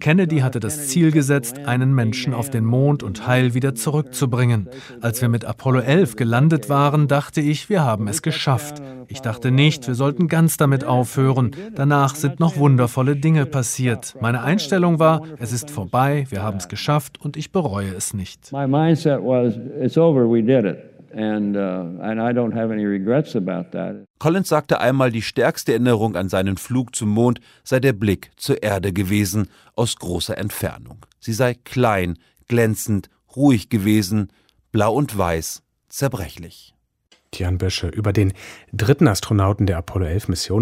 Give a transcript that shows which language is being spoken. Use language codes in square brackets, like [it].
[de] Kennedy hatte das Ziel gesetzt, einen Menschen auf den Mond und heil wieder zurückzubringen. Als wir mit Apollo 11 gelandet waren, dachte ich, wir haben es geschafft. Ich dachte nicht, wir sollten ganz damit aufhören. Danach sind noch wundervolle Dinge passiert. Meine Einstellung war, es ist vorbei, wir haben es geschafft und ich bereue es nicht. [en] My mindset was, it's over, we did it. And I don't have any regrets about that. [de] Collins sagte einmal, die stärkste Erinnerung an seinen Flug zum Mond sei der Blick zur Erde gewesen, aus großer Entfernung. Sie sei klein, glänzend, ruhig gewesen, blau und weiß, zerbrechlich. Jan Bösche über den dritten Astronauten der Apollo-11-Mission.